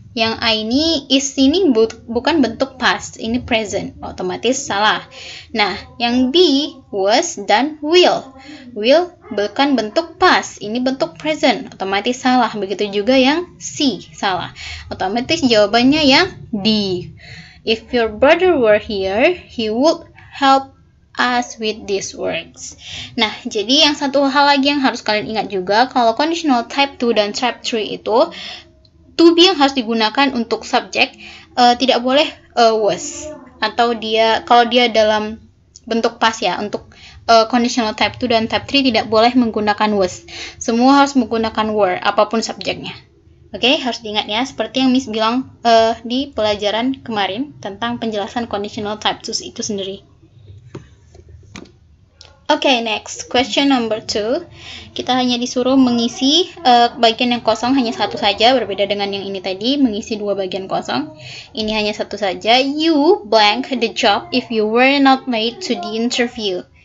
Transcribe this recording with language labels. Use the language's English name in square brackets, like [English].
[Indonesian] Yang A ini, is ini bukan bentuk past, ini present, otomatis salah. Nah, yang B, was dan will. Will bukan bentuk past, ini bentuk present, otomatis salah. Begitu juga yang C, salah. Otomatis jawabannya yang D. [English] If your brother were here, he would help us with these words. [Indonesian] Nah, jadi yang satu hal lagi yang harus kalian ingat juga, kalau conditional type 2 dan type 3 itu, to be yang harus digunakan untuk subjek, tidak boleh was. Atau dia, kalau dia dalam bentuk past, ya, untuk conditional type 2 dan type 3 tidak boleh menggunakan was. Semua harus menggunakan were, apapun subjeknya. Oke, okay? Harus diingat, ya, seperti yang Miss bilang di pelajaran kemarin tentang penjelasan conditional type 2 itu sendiri. [English] Oke, okay, next. Question number 2. [Indonesian] Kita hanya disuruh mengisi bagian yang kosong hanya satu saja, berbeda dengan yang ini tadi, mengisi dua bagian kosong. Ini hanya satu saja. [English] You blank the job if you were not late to the interview.